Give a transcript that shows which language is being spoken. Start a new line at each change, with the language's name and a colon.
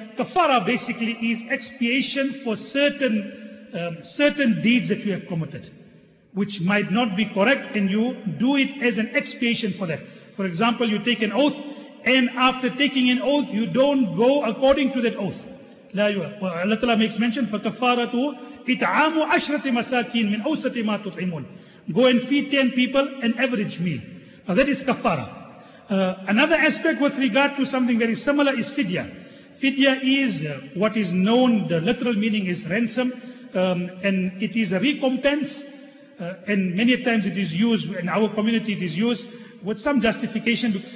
English: Kafara basically is expiation for certain deeds that you have committed, which might not be correct, and you do it as an expiation for that. For example, you take an oath, and after taking an oath, you don't go according to that oath.
Arabic: Allah Ta'ala makes mention, فَكَفَّارَتُهُ إِتْعَامُ عَشْرَةِ مَسَاكِينَ مِنْ أَوْسَطِ مَا تُطْعِمُونَ.
English: Go and feed 10 people an average meal. Now that is kafara. Another aspect with regard to something very similar is fidya. Fidya is what is known, the literal meaning is ransom, and it is a recompense. And many times it is used, in our community it is used, with some justification.